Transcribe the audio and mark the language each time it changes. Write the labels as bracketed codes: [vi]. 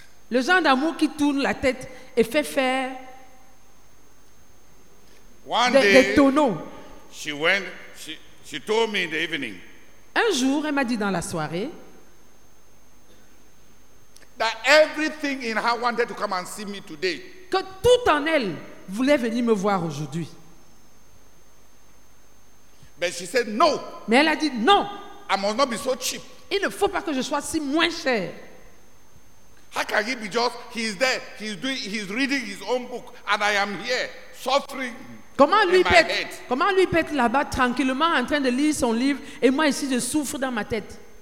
[fr] Le genre d'amour qui tourne la tête et fait faire. [en] One day. [fr] Des tonneaux. [en] She told me in the evening. [fr] Un jour, elle m'a dit dans la soirée. [en] That everything in her wanted to come and see me today. [fr] Que tout en elle voulait venir me voir aujourd'hui. [en] But she said no. [fr] Mais elle a dit non. [en] I must not be so cheap. [fr] Il ne faut pas que je sois si moins cher. [en] How can he be just? He's there. He's reading his own book, and I am here suffering. [fr] Comment lui peut être là-bas tranquillement en train de lire son livre et moi ici je souffre dans ma tête.